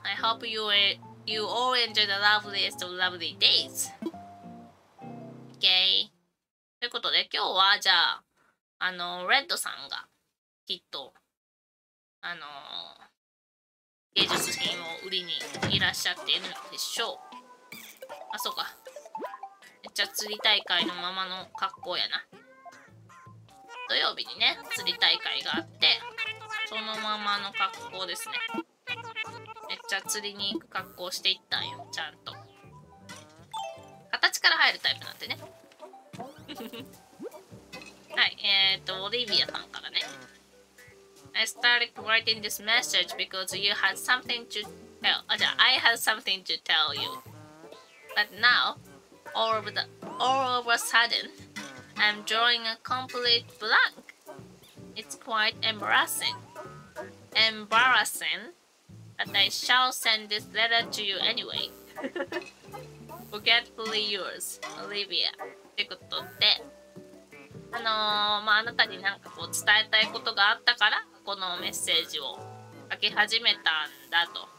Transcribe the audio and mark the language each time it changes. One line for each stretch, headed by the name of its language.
English: I hope you all enjoy the loveliest of lovely days. Okay.
Japanese: ということで、今日はじゃあ、あの、レッドさんがきっと、あの、芸術品を売りにいらっしゃっているのでしょう。あ、そうか、めっちゃ釣り大会のままの格好やな。土曜日にね、釣り大会があって、そのままの格好ですね。めっちゃ釣りに行く格好していったんよ、ちゃんと。形から入るタイプなんてね。はい、オリビアさんからね。
English: I started writing this message because you had something to tell.
Japanese: あ、じゃあ、
English: I had something to tell you. But now,All of a sudden, I'm drawing a complete blank. It's quite embarrassing. But I shall send this letter to you anyway. Forgetfully yours, Olivia.
Japanese: ってことで、まあ、あなたになんかこう伝えたいことがあったから、このメッセージを書き始めたんだと。